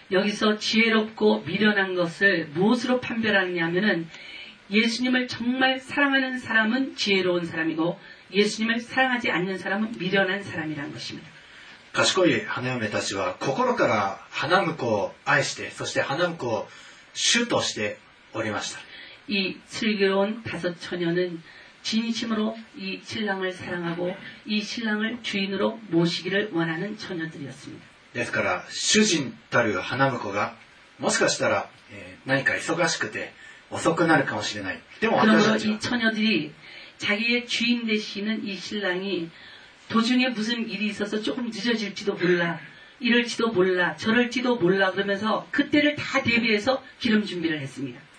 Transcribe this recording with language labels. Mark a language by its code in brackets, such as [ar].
[ko] 여기서지혜롭고미련한것을무엇으로판별하느냐면은예수님을정말사랑하는사람은지혜로운사람이고예수님을사랑하지않는사람은미련한사람이라는것입니다 [ja] 賢い花嫁たちは心から花婿を愛してそして花婿を主としておりました。 [ko] 이슬기로운다섯처녀는진심으로이신랑을사랑하고이신랑을주인으로모시기를원하는처녀들이었습니다 [ja] ですから主人たる花婿がもしかしたら、何か忙しくて遅くなるかもしれない。でも [ko] 私たち 자기의주인되시는이신랑이도중에무슨일이있어서조금늦어질지도몰라이럴지도몰라저럴지도몰라그러면서그때를다대비해서기름준비를했습니다